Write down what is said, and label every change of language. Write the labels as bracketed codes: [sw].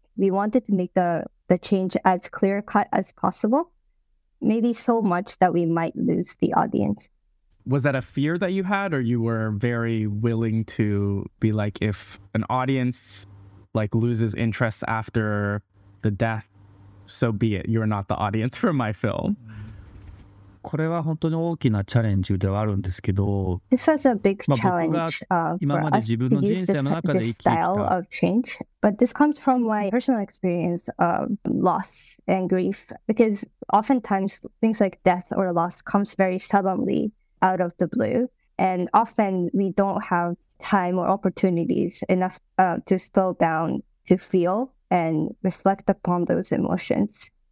[en] We wanted to make the change as clear cut as possible, maybe so much that we might lose the audience. Was that a fear that you had, or you were very willing to be like, if an audience like loses interest after the death, so be it. You're not the audience for my film. [ja] これは本当に大きなチャレンジではあるんですけど、 [en] This was a big challenge for us to use this style of change. But this comes from my personal experience of loss and grief, because oftentimes things like death or loss comes very suddenly out of the blue, and often we don't have time or opportunities enough to slow down to feel and reflect upon those emotions.